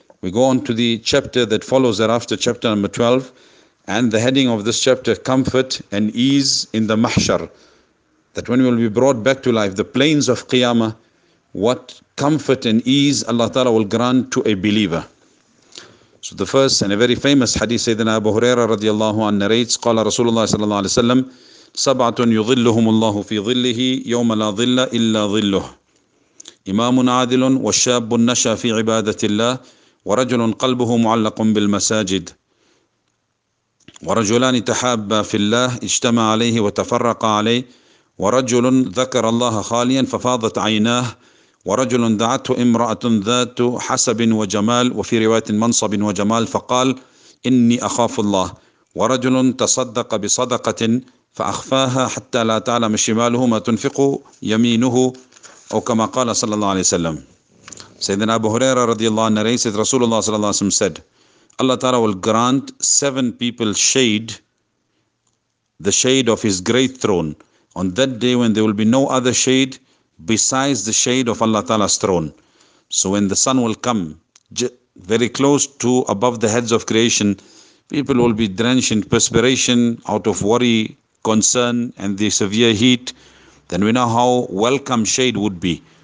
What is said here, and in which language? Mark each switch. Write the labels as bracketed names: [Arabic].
[English] We go on to the chapter that follows thereafter, chapter number 12, and the heading of this chapter, comfort and ease in the mahshar, that when we will be brought back to life, the plains of qiyamah, what comfort and ease Allah Ta'ala will grant to a believer. So the first and a very famous hadith, Sayyidina Abu Huraira radiallahu anhu narrates, [Arabic] qala Rasulullah sallallahu alayhi wa sallam, سَبْعَةٌ يُظِلُّهُمُ اللَّهُ فِي ظِلِّهِ يَوْمَ لَا ظِلَّ إِلَّا ظِلُّهُ إِمَامٌ عَادِلٌ وَالشَّابٌ نَشَى فِي عِبَادَةِ اللَّهِ وَرَجُلٌ قَلْبُهُ مُعَلَّقٌ بِالْمَسَاجِدِ وَرَجُلَانِ تَحَابَّا فِي اللَّهِ اجْتَمَعَ عَلَيْهِ وَتَفَرَّقَ عَلَيْهِ وَرَجُلٌ ذَكَرَ اللَّهَ خَالِيًا فَفَاضَتْ عَيْنَاهُ وَرَجُلٌ دَعَتْهُ امْرَأَةٌ ذَاتُ حَسَبٍ وَجَمَالٍ وَفِي رِوَايَةٍ مَنْصَبٍ وَجَمَالٍ فَقَالَ إِنِّي أَخَافُ اللَّهَ وَرَجُلٌ تَصَدَّقَ بِصَدَقَةٍ فأخفاها حتى لا تعلم شماله ما تنفق يمينه أو كما قال صلى الله عليه وسلم. سيدنا أبو هريرة رضي الله عنه رئيس رسول الله صلى الله عليه وسلم [English] said, Allah Ta'ala will grant seven people shade, the shade of his great throne, on that day when there will be no other shade besides the shade of Allah Ta'ala's throne. So when the sun will come very close to above the heads of creation, people will be drenched in perspiration out of worry, concern and the severe heat, then we know how welcome shade would be.